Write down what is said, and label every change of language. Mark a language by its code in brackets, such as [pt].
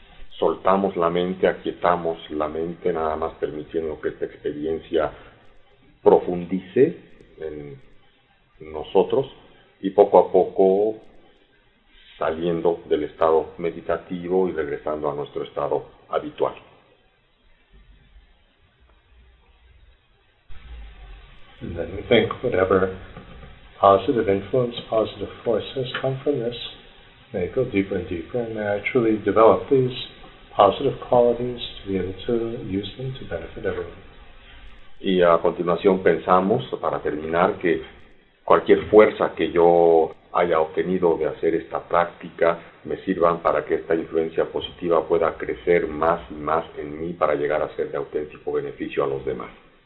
[es] Soltamos la mente, aquietamos la mente, nada más permitiendo que esta experiencia profundice en nosotros y poco a poco saliendo del estado meditativo y regresando a nuestro estado habitual. [en] And then we think whatever positive influence, positive force has come from this, may it go deeper and deeper, and may I truly develop these positive qualities to be able to use them to benefit everyone. [es] Y a continuación pensamos, para terminar, que cualquier fuerza que yo haya obtenido de hacer esta práctica me sirvan para que esta influencia positiva pueda crecer más y más en mí para llegar a ser de auténtico beneficio a los demás.